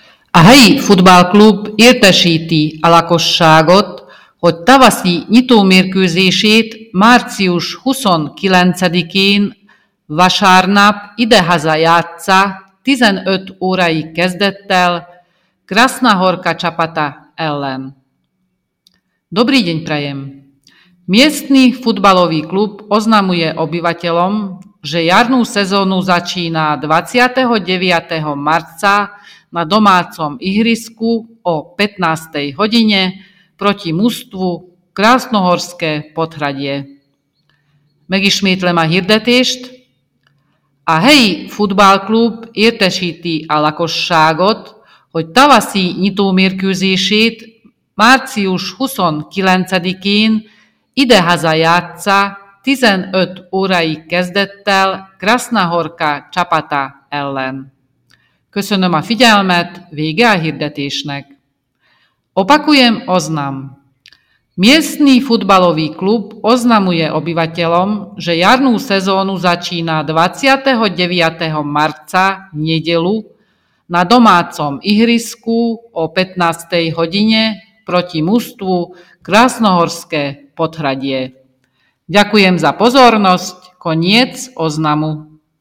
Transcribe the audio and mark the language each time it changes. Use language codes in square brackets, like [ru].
[hu] A helyi futballklub értesíti a lakosságot, hogy tavaszi nyitómérkőzését március 29-én vasárnap idehaza játssza 15 órai kezdettel Krasznahorka csapata ellen. [sk] Dobrý deň prajem! Miestny futbalový klub oznamuje obyvateľom, že jarnú sezónu začína 29. marca na domácom ihrisku o 15. hodine proti mužstvu Krasznohorské Podhradie. [hu] Megismétlem a hirdetést. A helyi futballklub értesíti a lakosságot, hogy tavaszi nyitómérkőzését március 29-én idehaza játssza 15 órai kezdettel Krasznahorka csapata ellen. Köszönöm a figyelmet, vége a hirdetésnek. [sk] Opakujem oznam. Miestny futbalový klub oznamuje obyvateľom, že jarnú sezónu začína 29. marca v nedeľu na domácom ihrisku o 15. hodine proti mužstvu Krasznohorské Podhradie. Ďakujem za pozornosť. Koniec oznamu.